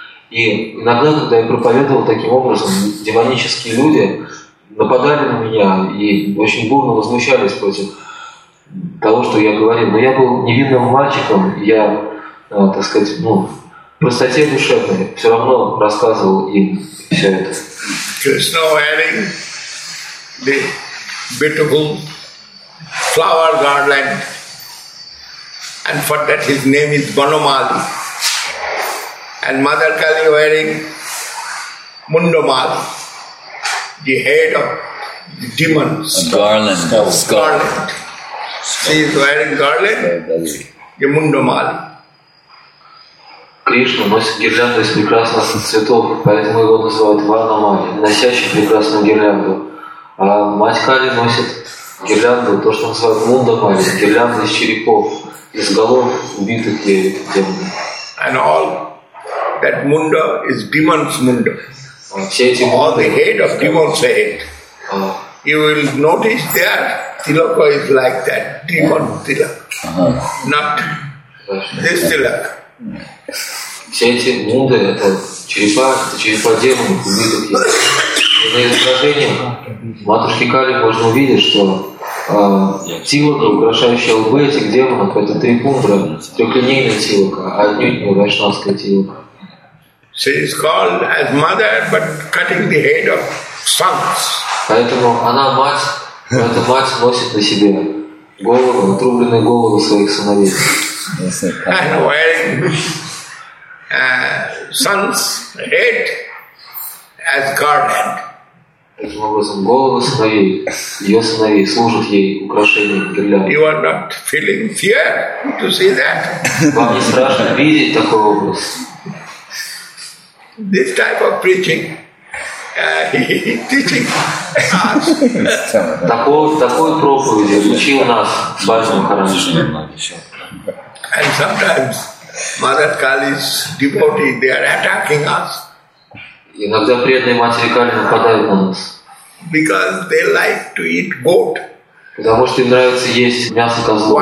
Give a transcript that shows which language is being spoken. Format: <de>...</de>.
<ru>И иногда, когда я проповедовал таким образом, демонические люди нападали на меня и очень бурно возмущались против того, что я говорил. Но я был невинным мальчиком, я, так сказать, в простоте душевной все равно рассказывал им все это.</ru> <en>Krishna wearing the beautiful flower garland, and for that his name is Banomali. And Mother Kali wearing Mundomali, the head of the demons. A garland. Garland. She is wearing garland, the Mundomali.</en> <ru>Кришна носит гирлянду из прекрасных цветов, поэтому его называют Варнамали, носящий прекрасную гирлянду. А мать Кали носит гирлянду, то, что называют Мундамали, гирлянду из черепов, из голов убитых демонов.</ru> <en>And all that Munda is demon's Munda. All the head of demon's head. You will notice that Tilaka is like that, demon Tilaka. Not this Tilaka.</en> <ru>Все эти мунды – это черепа демонов, убитых ей. На изображении матушки Кали можно увидеть, что тилака, украшающая лбы этих демонов – это три пундра, трехлинейная тилака, а отнюдь не вайшнавская тилака.</ru> <en>She is called as mother, but cutting the head of sons.</en> <ru>Поэтому она мать, но эта мать носит на себе голову, отрубленные головы своих сыновей.</ru> <en>And wearing son's head as garland.</en> <ru>Таким образом, голову своей, ее сыновей служат ей украшением гирлянды.</ru> <en>You are not feeling fear to see that.</en> <ru>Вам не страшно видеть такой образ?</ru> <en>This type of preaching, he teaching us.</en> <ru>Такой проповеди учил нас с Бхакти Махараджи.</ru> <en>And sometimes Mother Kali's devotees, they are attacking us.</en> <ru>Иногда преданные матери Кали нападают на нас.</ru> <en>Because they like to eat goat.</en> <ru>Потому что им нравится есть мясо козлов.</ru>